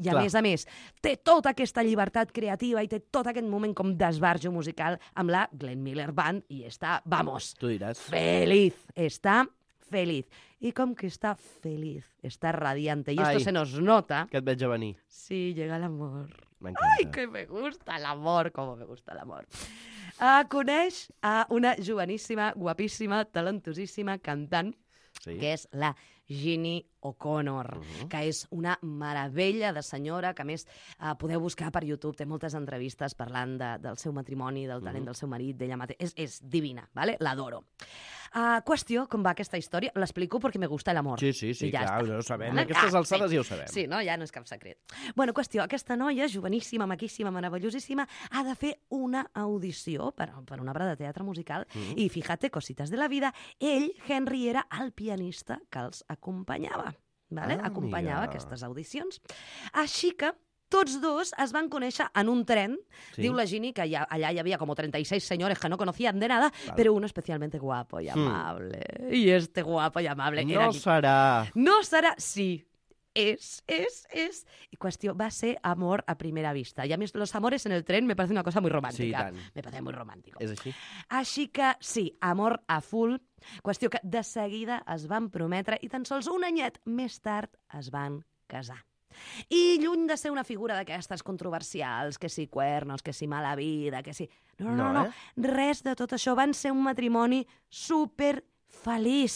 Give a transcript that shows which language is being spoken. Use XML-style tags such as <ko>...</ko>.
<ca>I a més, té tota aquesta llibertat creativa i té tot aquest moment com d'esbarjo musical amb la Glenn Miller Band i està, vamos, tu diràs, feliz, està feliz. I com que està feliz, està radiante, i</ca> <es>esto se nos nota...</es> <ca>Que et veig a venir.</ca> <es>Sí, llega l'amor.</es> <ca>M'encanta.</ca> <es>Ai, que me gusta l'amor, como me gusta l'amor.</es> <ca>Coneix a una joveníssima, guapíssima, talentosíssima cantant, que és la Ginny O'Connor, que és una meravella de senyora, que a més podeu buscar per YouTube, té moltes entrevistes parlant del seu matrimoni, del talent del seu marit, d'ella mateixa. És divina, ¿vale? L'adoro. Qüestió, com va aquesta història? L'explico perquè</ca> <es>me gusta</es> <ca>l'amor. Sí, ja clar, ja ho sabem. En aquestes alçades ja ho sabem. Sí, no? Ja no és cap secret. Bueno, qüestió, aquesta noia, joveníssima, maquíssima, meravellosíssima, ha de fer una audició per una obra de teatre musical i, fíjate, cosites de la vida, ell, Henry, era el pianista que els acompanyava. ¿Vale? Ah, acompanyava aquestes audicions. Així que tots dos es van conèixer en un tren. Sí. Diu la Ginny que allà hi havia com 36 senyores que</ca> <es>no conocían de nada,</es> <ca>però un especialment guapo i amable. I este guapo i amable. No era... serà. No serà, sí. És. I qüestió, va ser amor a primera vista.</ca> <es>I a més, los amores en el tren me parece una cosa muy romántica. Sí, me parece muy romántico.</es> <ca>És així. Així que, sí, amor a full. Qüestió que de seguida es van prometre i tan sols un anyet més tard es van casar. I lluny de ser una figura d'aquestes controversials,</ca> <es>que si cuernos,</es> <ca>que si mala vida, que si... No. Res de tot això. Van ser un matrimoni superfeliç.</ca>